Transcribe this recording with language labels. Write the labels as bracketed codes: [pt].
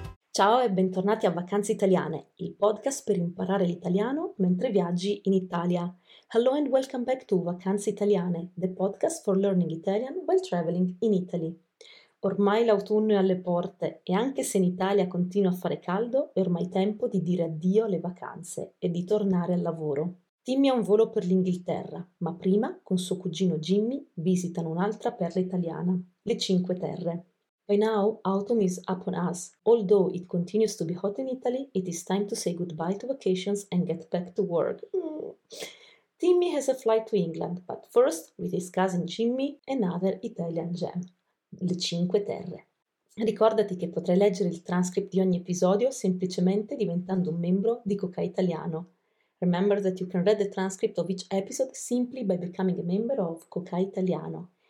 [it] Ciao e bentornati a Vacanze Italiane, il podcast per imparare l'italiano mentre viaggi in Italia. [en] Hello and welcome back to Vacanze Italiane, the podcast for learning Italian while traveling in Italy. [it] Ormai l'autunno è alle porte e anche se in Italia continua a fare caldo, è ormai tempo di dire addio alle vacanze e di tornare al lavoro. Timmy ha un volo per l'Inghilterra, ma prima, con suo cugino Jimmy, visitano un'altra perla italiana, le Cinque Terre. [en] By now, autumn is upon us. Although it continues to be hot in Italy, it is time to say goodbye to vacations and get back to work. Timmy has a flight to England, but first with his cousin Jimmy, another Italian gem. [it] Le Cinque Terre. Ricordati che potrai leggere il transcript di ogni episodio semplicemente diventando un membro di Cocai Italiano. [en] Remember that you can read the transcript of each episode simply by becoming a member of Cocai Italiano.